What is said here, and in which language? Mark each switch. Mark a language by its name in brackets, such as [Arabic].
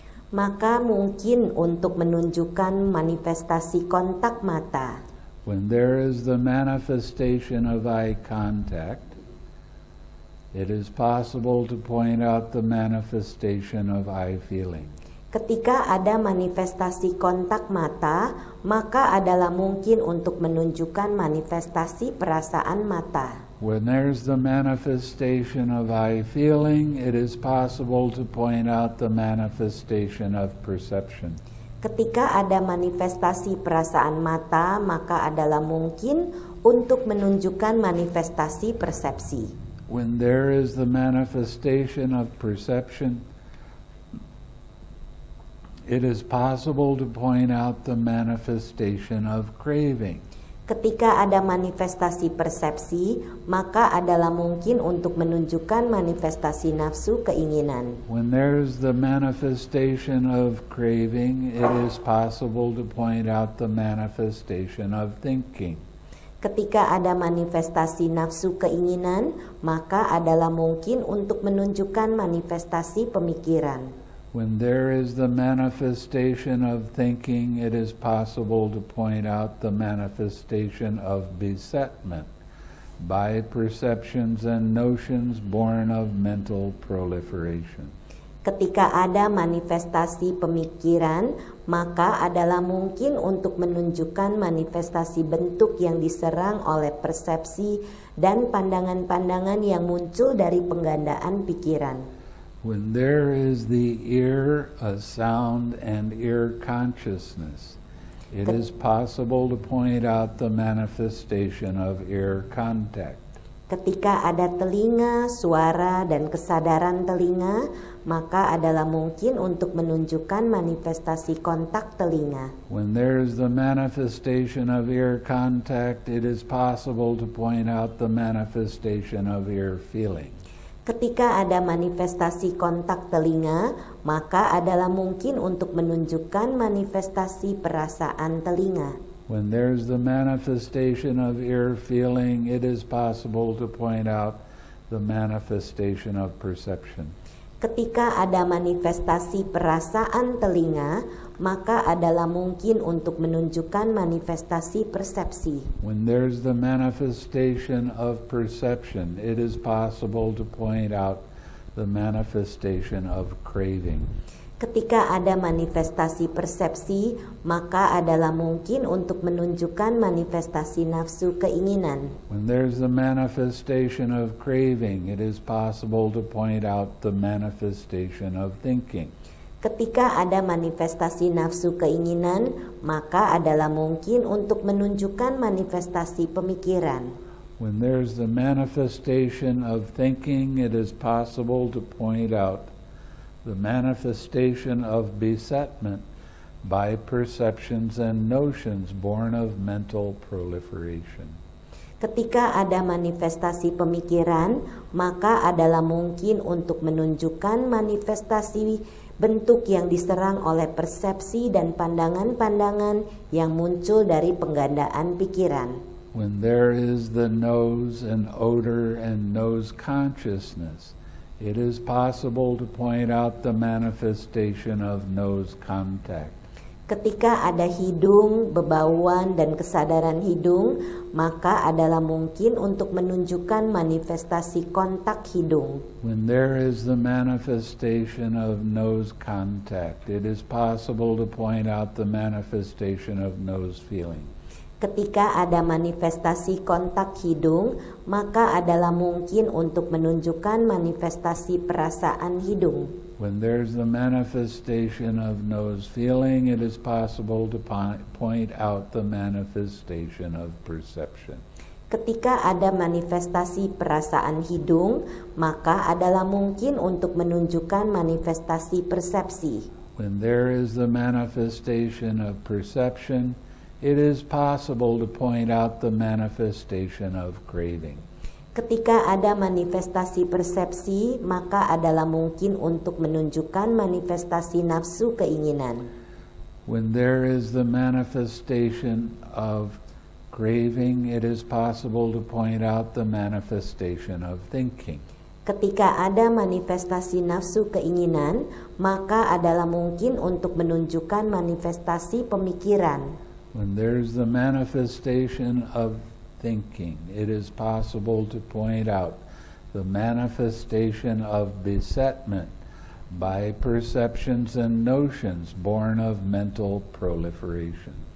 [Indonesian] Maka mungkin untuk menunjukkan manifestasi kontak mata. [English] When there is the manifestation of eye contact, it is possible to point out the manifestation of eye feeling. [Indonesian] Ketika ada manifestasi kontak mata, maka adalah mungkin untuk menunjukkan manifestasi perasaan mata. [English] When there's the manifestation of eye feeling, it is possible to point out the manifestation of perception. [Indonesian] Ketika ada manifestasi perasaan mata, maka adalah mungkin untuk menunjukkan manifestasi persepsi. [English] When there is the manifestation of perception, it is possible to point out the manifestation of craving. [Indonesian] Ketika ada manifestasi persepsi, maka adalah mungkin untuk menunjukkan manifestasi nafsu keinginan. [English] When there is the manifestation of craving, it is possible to point out the manifestation of thinking. [Indonesian] Ketika ada manifestasi nafsu keinginan, maka adalah mungkin untuk menunjukkan manifestasi pemikiran. [English] When there is the manifestation of thinking, it is possible to point out the manifestation of besetment by perceptions and notions born of mental proliferation. [Indonesian] Ketika ada manifestasi pemikiran, maka adalah mungkin untuk menunjukkan manifestasi bentuk yang diserang oleh persepsi dan pandangan-pandangan yang muncul dari penggandaan pikiran. [English] When there is the ear, a sound, and ear consciousness, it is possible to point out the manifestation of ear contact. [Indonesian] Ketika ada telinga, suara, dan kesadaran telinga, maka adalah mungkin untuk menunjukkan manifestasi kontak telinga. [English] When there is the manifestation of ear contact, it is possible to point out the manifestation of ear feeling. [Indonesian] Ketika ada manifestasi kontak telinga, maka adalah mungkin untuk menunjukkan manifestasi perasaan telinga. [English] When there's the manifestation of ear feeling, it is possible to point out the manifestation of perception. [Indonesian] Ketika ada manifestasi perasaan telinga, maka adalah mungkin untuk menunjukkan manifestasi persepsi. [English] When there's the manifestation of perception, it is possible to point out the manifestation of craving. [Indonesian] Ketika ada manifestasi persepsi, maka adalah mungkin untuk menunjukkan manifestasi nafsu keinginan. [English] When there's the manifestation of craving, it is possible to point out the manifestation of thinking. [Indonesian] Ketika ada manifestasi nafsu keinginan, maka adalah mungkin untuk menunjukkan manifestasi pemikiran. [English] When there's the manifestation of thinking, it is possible to point out the manifestation of besetment by perceptions and notions born of mental proliferation. [Indonesian] Ketika ada manifestasi pemikiran, maka adalah mungkin untuk menunjukkan manifestasi bentuk yang diserang oleh persepsi dan pandangan-pandangan yang muncul dari penggandaan pikiran. [English] When there is the nose and odor and nose consciousness, It is possible to point out the manifestation of nose contact. [Indonesian] Ketika ada hidung, bebauan, dan kesadaran hidung, maka adalah mungkin untuk menunjukkan manifestasi kontak hidung. [English] When there is the manifestation of nose contact, it is possible to point out the manifestation of nose feeling. [Indonesian] Ketika ada manifestasi kontak hidung, maka adalah mungkin untuk menunjukkan manifestasi perasaan hidung. [English] When there's the manifestation of nose feeling, it is possible to point out the manifestation of perception. [Indonesian] Ketika ada manifestasi perasaan hidung, maka adalah mungkin untuk menunjukkan manifestasi persepsi. [English] When there is the manifestation of perception, it is possible to point out the manifestation of craving. [Indonesian] Ketika ada manifestasi persepsi, maka adalah mungkin untuk menunjukkan manifestasi nafsu keinginan. [English] When there is the manifestation of craving, it is possible to point out the manifestation of thinking. [Indonesian] Ketika ada manifestasi nafsu keinginan, maka adalah mungkin untuk menunjukkan manifestasi pemikiran. [English] When there is the manifestation of thinking, it is possible to point out the manifestation of besetment by perceptions and notions born of mental proliferation.